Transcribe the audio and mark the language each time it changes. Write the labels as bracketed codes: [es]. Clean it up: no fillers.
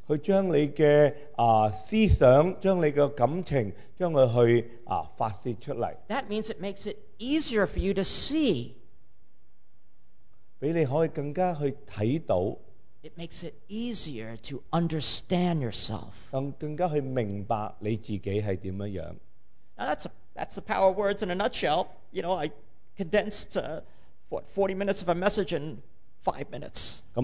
[yue] 佢將你嘅思想、將你嘅感情、將佢去發泄出嚟。 [en] That means it makes it easier for you to see. [yue] 俾你可以更加去睇到。 [en] It makes it easier to understand yourself. [yue] 更加去明白你自己係點樣。 [en] Now that's the power of words in a nutshell. You know, I condensed 40 minutes of a message in 5 minutes.